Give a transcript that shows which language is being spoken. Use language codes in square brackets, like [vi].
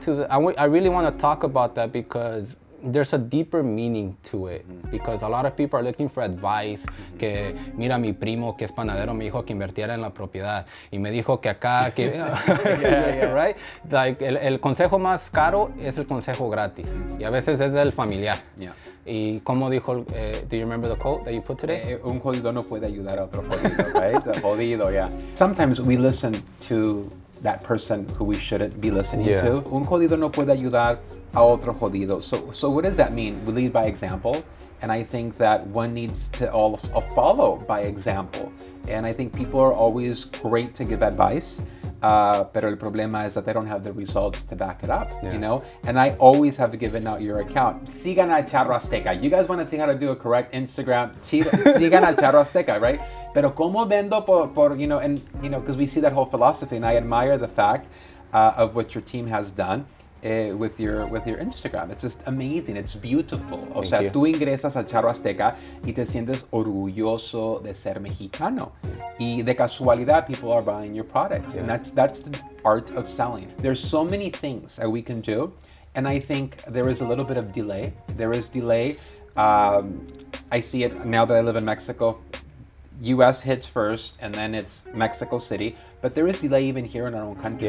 [en] I really want to talk about that because there's a deeper meaning to it. Because a lot of people are looking for advice. Mm-hmm. [es] Que mira mi primo que es panadero, mm-hmm, me dijo que invirtiera en la propiedad y me dijo que acá que [en] yeah, right? [es] Like el consejo más caro es el consejo gratis. Y a veces es del familiar. [en] Yeah. Y como dijo, do you remember the quote that you put today? [es] Un jodido no puede ayudar a otro jodido, right? Jodido, yeah. [en] Sometimes we listen to that person who we shouldn't be listening, yeah, to. [es] Un jodido no puede ayudar a otro jodido. [en] So what does that mean? We lead by example. And I think that one needs to all follow by example. And I think people are always great to give advice. Pero el problema es that they don't have the results to back it up, yeah, you know? And I always have given out your account. Sigan a Charro Azteca. You guys want to see how to do a correct Instagram? Sigan a Charro Azteca, right? Pero como vendo por, you know, and, you know, because we see that whole philosophy, and I admire the fact of what your team has done with your Instagram. It's just amazing. It's beautiful. Thank [es] o sea, [en] you. [es] Tú ingresas a Charro Azteca y te sientes orgulloso de ser mexicano. [en] Y de casualidad, people are buying your products. Yeah. And that's the art of selling. There's so many things that we can do. And I think there is a little bit of delay. There is delay. I see it now that I live in Mexico. U.S. hits first, and then it's Mexico City. But there is delay even here in our own country.